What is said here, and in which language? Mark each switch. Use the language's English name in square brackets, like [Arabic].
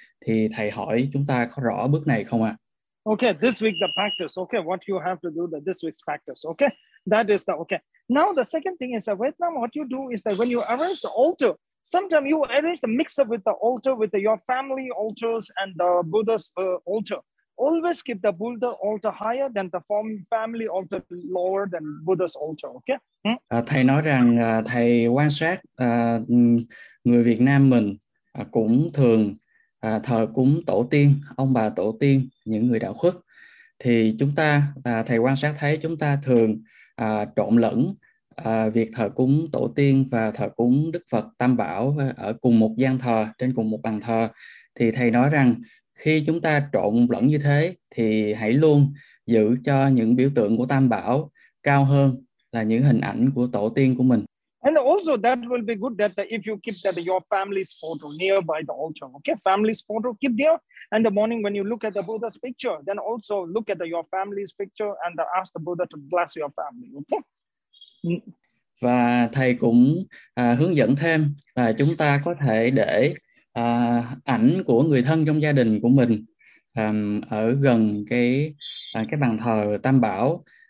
[Vietnamese] Thì thầy hỏi chúng ta có rõ bước này không ạ? [English] Okay, this week the practice. Okay, what you have to do the this week's practice. Okay, that is the okay. Now the second thing is that Vietnam, what you do is that when you arrange the altar, sometimes you arrange the mix up with the altar, with the, your family altars and the Buddha's altar. Always keep the Buddha altar higher than the family altar lower than Buddha's altar, okay? [Vietnamese] Thầy nói rằng thầy quan sát người Việt Nam mình cũng thường thờ cúng tổ tiên, ông bà tổ tiên, những người đạo khất. Thì chúng ta, thầy quan sát thấy chúng ta thường trộn lẫn việc thờ cúng tổ tiên và thờ cúng Đức Phật Tam Bảo ở cùng một gian thờ, trên cùng một bàn thờ. Thì thầy nói rằng khi chúng ta trộn lẫn như thế thì hãy luôn giữ cho những biểu tượng của Tam Bảo cao hơn là những hình ảnh của tổ tiên của mình. [English] And also that will be good that if you keep that your family's photo nearby the altar, okay? Family's photo, keep there. And the morning when you look at the Buddha's picture, then also look at the, your family's picture and the, ask the Buddha to bless your family, okay? [Vietnamese] Và thầy cũng hướng dẫn thêm là chúng ta có thể để ảnh của người thân trong gia đình của mình ở gần cái bàn thờ Tam Bảo.